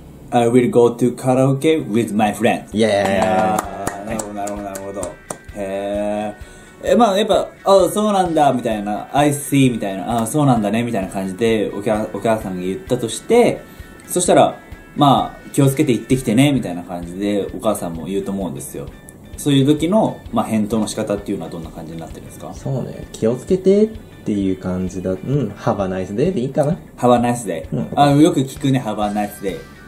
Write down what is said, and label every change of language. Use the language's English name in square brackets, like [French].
[English] I will go to karaoke with my friends. Yeah. [Japanese] なるほどなるほど。へえ。まあやっぱ、あ、そうなんだみたいな、 [English] I see [Japanese] みたいな、あ、そうなんだねみたいな感じでお母さんが言ったとして、そしたら、まあ気をつけて行ってきてねみたいな感じでお母さんも言うと思うんですよ。そういう時の、まあ、返答の仕方っていうのはどんな感じになってるんですか？そうね、気をつけてっていう感じだ。うん、 [English] Have a nice day [Japanese] でいいかな。 [English] Have a nice day、 [Japanese] うん、あ、よく聞くね、 [English] Have a nice day。